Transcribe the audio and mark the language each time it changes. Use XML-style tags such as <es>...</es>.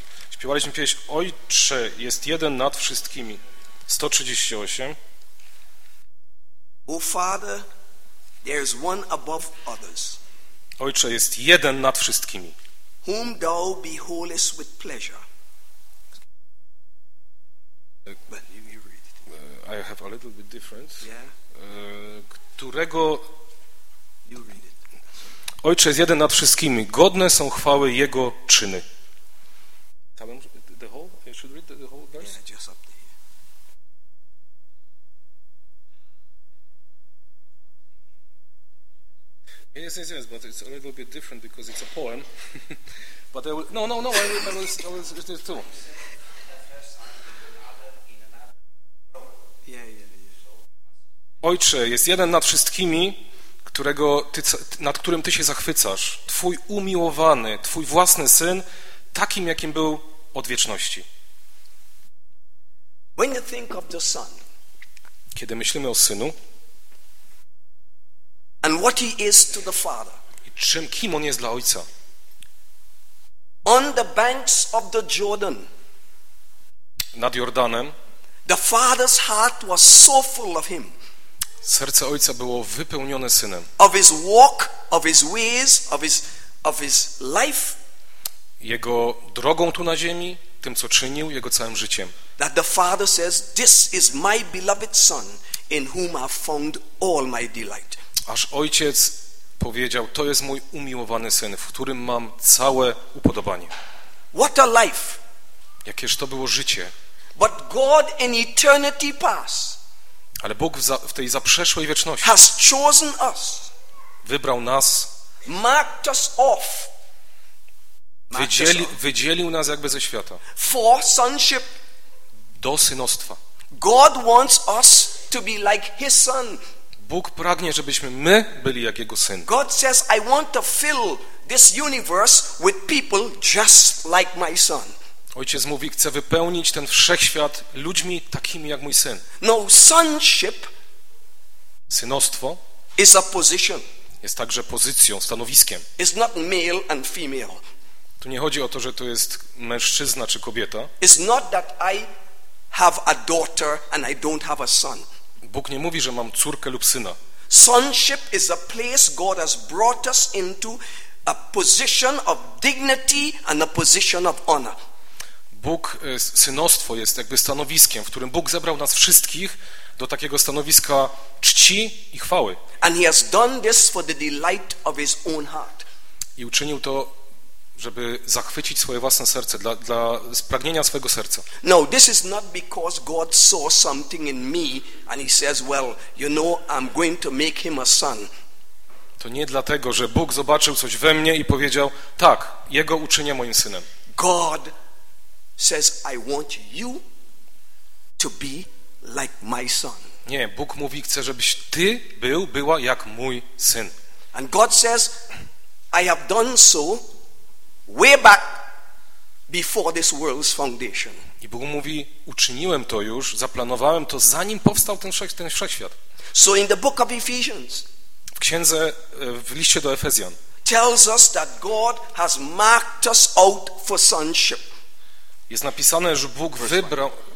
<pl>Śpiewaliśmy pieśń Ojcze jest jeden nad wszystkimi. 138.</pl> <en>O Father, there is one above others.</en> <pl>Ojcze jest jeden nad wszystkimi.</pl> <en>Whom thou beholdest with pleasure. But you read it. I have a little bit difference. Yeah.</en> <pl>Którego.</pl> <en>You read it.</en> <pl>Ojcze jest jeden nad wszystkimi. Godne są chwały Jego czyny.</pl> <en>The whole? You should read the whole verse? Yeah, just up there. Yes, but it's a little bit different because it's a poem. But I will, no, I will read it too. Yeah.</en> <pl>Ojcze jest jeden nad wszystkimi, którego ty, nad którym ty się zachwycasz, twój umiłowany, twój własny syn, takim jakim był od wieczności.</pl> <en>When you think of the son,</en> <pl>kiedy myślimy o synu,</pl> <en>and what he is to the father,</en> <pl>i czym, kim on jest dla ojca,</pl> <en>on the banks of the Jordan,</en> <pl>nad Jordanem,</pl> <en>the father's heart was so full of him.</en> <pl>Serce ojca było wypełnione synem.</pl> <en>Of his walk, of his ways, of his life.</en> <pl>Jego drogą tu na ziemi, tym co czynił, jego całym życiem.</pl> <en>That the father says, "This is my beloved son, in whom I found all my delight."</en> <pl>Aż ojciec powiedział, to jest mój umiłowany syn, w którym mam całe upodobanie.</pl> <en>What a life!</en> <pl>Jakież to było życie.</pl> <en>But God in eternity past.</en> <pl>Ale Bóg w tej zaprzeszłej wieczności</pl> <en>has chosen us,</en> <pl>wybrał nas,</pl> <en>marked us off,</en> <pl>wydzielił nas jakby ze świata</pl> <en>for sonship,</en> <pl>do synostwa.</pl> <en>God wants us to be like his son.</en> <pl>Bóg pragnie, żebyśmy my byli jak jego syn.</pl> <en>God says, I want to fill this universe with people just like my son.</en> <pl>Ojciec mówi, chcę wypełnić ten wszechświat ludźmi takimi jak mój syn.</pl> <en>No, sonship,</en> <pl>synostwo,</pl> <en>is a position.</en> <pl>Jest także pozycją, stanowiskiem.</pl> <en>It's not male and female.</en> <pl>Tu nie chodzi o to, że to jest mężczyzna czy kobieta.</pl> <en>It's not that I have a daughter and I don't have a son.</en> <pl>Bóg nie mówi, że mam córkę lub syna.</pl> <en>Sonship is a place God has brought us into, a position of dignity and a position of honor.</en> <pl>Bóg, synostwo jest jakby stanowiskiem, w którym Bóg zebrał nas wszystkich do takiego stanowiska czci i chwały.</pl> <en>And he has done this for the delight of his own heart.</en> <pl>I uczynił to, żeby zachwycić swoje własne serce, dla spragnienia swojego serca.</pl> <en>No, this is not because God saw something in me and he says, well, you know, I'm going to make him a son.</en> <pl>To nie dlatego, że Bóg zobaczył coś we mnie i powiedział, tak, jego uczynię moim synem.</pl> <en>God says, I want you to be like my son.</en> <pl>Nie, Bóg mówi, chcę, żebyś ty był, była jak mój syn.</pl> <en>And God says, I have done so way back before this world's foundation.</en> <pl>I Bóg mówi, uczyniłem to już, zaplanowałem to, zanim powstał ten wszechświat.</pl> <en>So in the book of Ephesians,</en> <pl>w księdze, w liście do Efezjan,</pl> <en>tells us that God has marked us out for sonship.</en> <pl>Jest napisane, że Bóg wybrał.</pl>